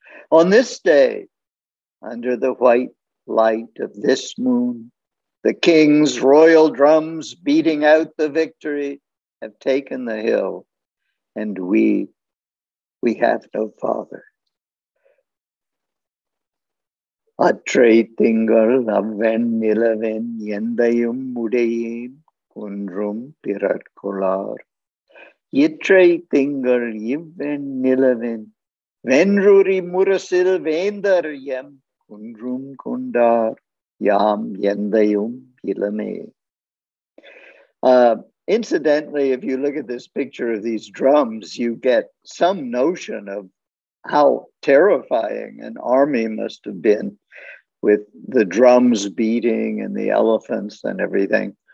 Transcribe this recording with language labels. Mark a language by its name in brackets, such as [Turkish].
[English] On this day, under the white light of this moon, the king's royal drums beating out the victory have taken the hill, and we have no father. [Tamil] அற்றை திங்கள் அவ்வெண் நிலவென் எந்தையும் உடையேன் குன்றும் பிறர்கொளார் இற்றை திங்கள் இவ்வெண் நிலவென் வென்றுரி முரசில் வேந்தர் M குன்றும் கொண்டார் யாம் எந்தையும் இளமே. [English] Incidentally, if you look at this picture of these drums, you get some notion of how terrifying an army must have been, with the drums beating and the elephants and everything.